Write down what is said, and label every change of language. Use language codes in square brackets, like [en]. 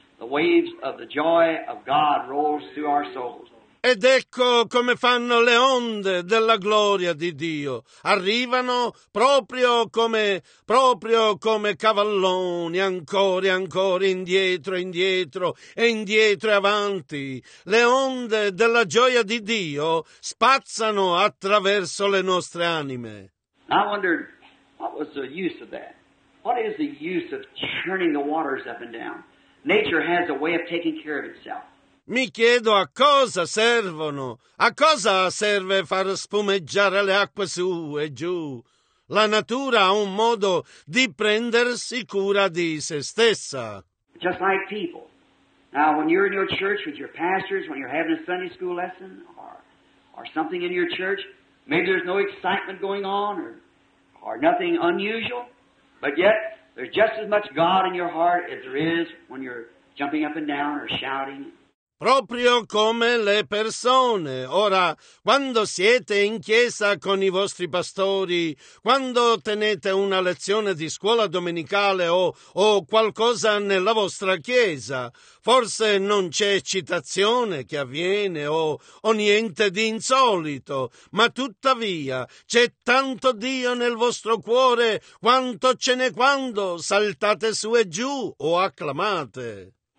[en] The waves of the joy of God rolls through our souls. [it] Ed ecco come fanno le onde della gloria di Dio. Arrivano proprio come cavalloni, ancora e ancora indietro, indietro e indietro e avanti. Le onde della gioia di Dio spazzano attraverso le nostre anime. [en] I wondered, what was the use of that? What is the use of churning the waters up and down? Nature has a way of taking care of itself. [it] Mi chiedo a cosa servono, a cosa serve far spumeggiare le acque su e giù. La natura ha un modo di prendersi cura di se stessa. [en] Just like people. Now, when you're in your church with your pastors, when you're having a Sunday school lesson or something in your church, maybe there's no excitement going on or nothing unusual, but yet there's just as much God in your heart as there is when you're jumping up and down or shouting. [it] Proprio come le persone. Ora, quando siete in chiesa con i vostri pastori, quando tenete una lezione di scuola domenicale o qualcosa nella vostra chiesa, forse non c'è eccitazione che avviene o niente di insolito, ma tuttavia c'è tanto Dio nel vostro cuore quanto ce n'è quando saltate su e giù o acclamate.